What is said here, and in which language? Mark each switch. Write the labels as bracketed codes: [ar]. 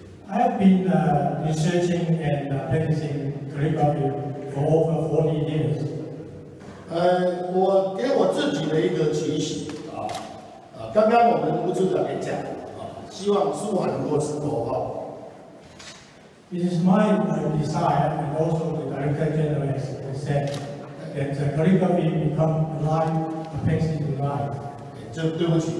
[en] I have been researching and practicing calligraphy for over 40 years. [zh] 我给我自己的一个期许，刚刚我们吴处长也讲，希望书法能够成功。 [en] It is my desire and also the director general has said that the calligraphy become alive, a painting alive.